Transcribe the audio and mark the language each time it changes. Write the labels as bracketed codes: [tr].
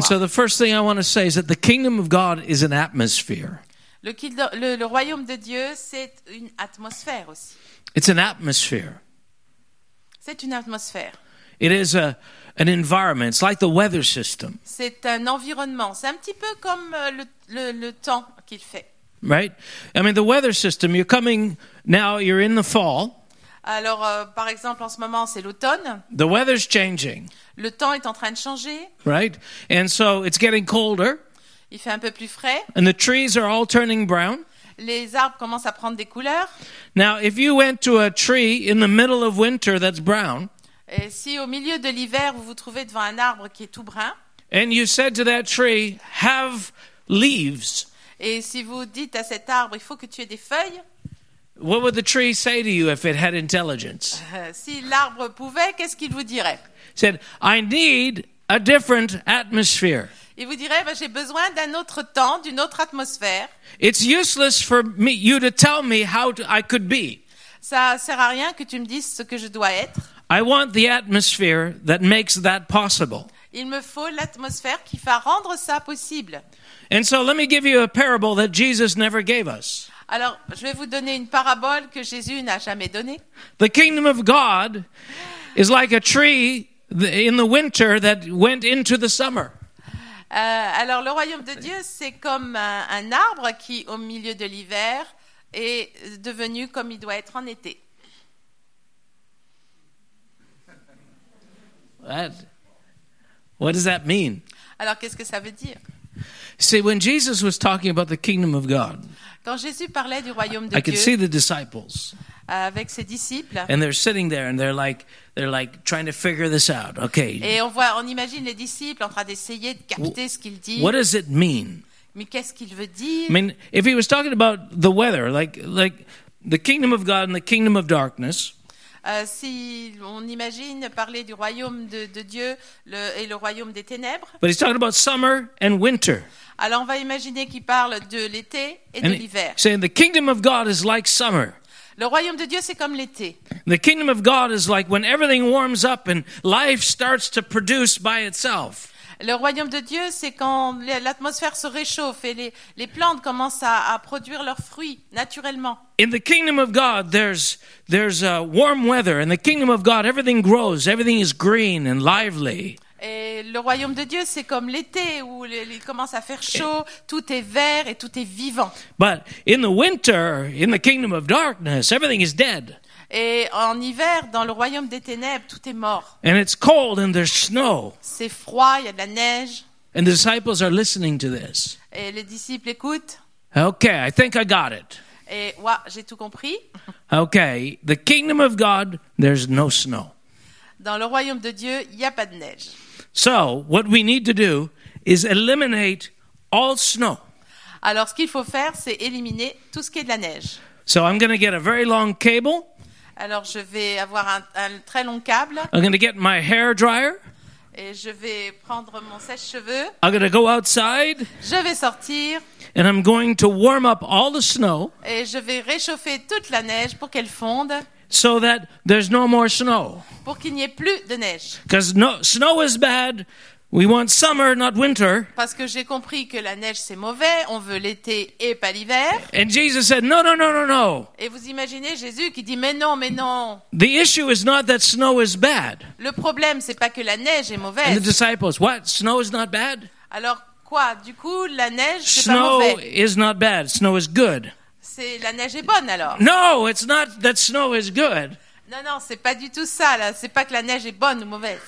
[en] And so the first thing I want to say is that the kingdom of God is an atmosphere. [fr] Le royaume de Dieu, c'est une atmosphère aussi. [en] It's an atmosphere. [fr] C'est une atmosphère. [en] It is an environment. It's like the weather system. [fr] C'est un environnement. C'est un petit peu comme le temps qu'il fait. [en] Right? I mean, the weather system, you're coming now, you're in the fall. [fr] Alors, par exemple, en ce moment, c'est l'automne. [en] The weather's changing. [fr] Le temps est en train de changer. [en] Right? And so, it's getting colder. [fr] Il fait un peu plus frais. [en] And the trees are all turning brown. [fr] Les arbres commencent à prendre des couleurs. [en] Now, if you went to a tree in the middle of winter that's brown, [fr] et si au milieu de l'hiver vous vous trouvez devant un arbre qui est tout brun, [en] and you said to that tree, have leaves, [fr] et si vous dites à cet arbre, il faut que tu aies des feuilles, [en] what would the tree say to you if it had intelligence? [fr] Si l'arbre pouvait, qu'est-ce qu'il vous dirait? [en] It said, I need a different atmosphere. [fr] Il vous dirait, ben, j'ai besoin d'un autre temps, d'une autre atmosphère. [en] It's useless for me, you to tell me how I could be. [fr] Ça sert à rien que tu me dises ce que je dois être. [en] I want the atmosphere that makes that possible. [fr] Il me faut l'atmosphère qui va rendre ça possible. [en] And so let me give you a parable that Jesus never gave us. [fr] Alors, je vais vous donner une parabole que Jésus n'a jamais donnée. [en] The kingdom of God is like a tree in the winter that went into the summer. [fr] Alors, le royaume de Dieu, c'est comme un arbre qui, au milieu de l'hiver, est devenu comme il doit être en été. [en] What does that mean? [fr] Alors, qu'est-ce que ça veut dire? [en] See, when Jesus was talking about the kingdom of God, [fr] quand Jésus parlait du royaume de [en] Dieu, I could see the disciples. [fr] Avec ses disciples. [en] And they're sitting there and they're like trying to figure this out. Okay. [fr] Et on imagine les disciples en train d'essayer de capter ce qu'il dit. [en] What does it mean? [fr] Mais qu'est-ce qu'il veut dire? [en] I mean, if he was talking about the weather, like the kingdom of God and the kingdom of darkness. [fr] Si on imagine parler du royaume de Dieu et le royaume des ténèbres. [en] But he's talking about summer and winter. [fr] Alors on va imaginer qu'il parle de l'été et [en] and [fr] de l'hiver. [en] Saying the kingdom of God is like summer. [fr] Le royaume de Dieu c'est comme l'été. [en] The kingdom of God is like when everything warms up and life starts to produce by itself. [fr] Le royaume de Dieu c'est quand l'atmosphère se réchauffe et les plantes commencent à produire leurs fruits naturellement. [en] In the kingdom of God there's a warm weather. In the kingdom of God everything grows, everything is green and lively. [fr] Et le royaume de Dieu c'est comme l'été où il commence à faire chaud, tout est vert et tout est vivant. [en] But in the winter in the kingdom of darkness everything is dead. [fr] Et en hiver, dans le royaume des ténèbres, tout est mort. [en] And it's cold and there's snow. [fr] C'est froid, il y a de la neige. [en] And the disciples are listening to this. [fr] Et les disciples écoutent. [en] Okay, I think I got it. [fr] Et ouais, j'ai tout compris. [en] Okay, the kingdom of God, there's no snow. [fr] Dans le royaume de Dieu, il n'y a pas de neige. [en] So, what we need to do is eliminate all snow. [fr] Alors, ce qu'il faut faire, c'est éliminer tout ce qui est de la neige. [en] So, I'm going to get a very long cable. [fr] Alors je vais avoir un très long câble. [en] I'm going to get my hair dryer. [fr] Et je vais prendre mon sèche-cheveux. [en] I'm going to go outside. [fr] Je vais sortir. [en] And I'm going to warm up all the snow. [fr] Et je vais réchauffer toute la neige pour qu'elle fonde. [en] So that there's no more snow. [fr] Pour qu'il n'y ait plus de neige. [en] Because no snow is bad. We want summer, not winter. [fr] Parce que j'ai compris que la neige c'est mauvais, on veut l'été et pas l'hiver. [en] And Jesus said, no, no, no, no, no. [fr] Et vous imaginez Jésus qui dit, mais non, mais non. [en] The issue is not that snow is bad. [fr] Le problème c'est pas que la neige est mauvaise. [en] And the disciples, what? Snow is not bad? [fr] Alors quoi? Du coup, la neige c'est [en] snow [fr] pas mauvais. [en] Snow is not bad. Snow is good. [fr] C'est la neige est bonne alors? [en] No, it's not that snow is good. [fr] Non, non, c'est pas du tout ça, là. C'est pas que la neige est bonne ou mauvaise.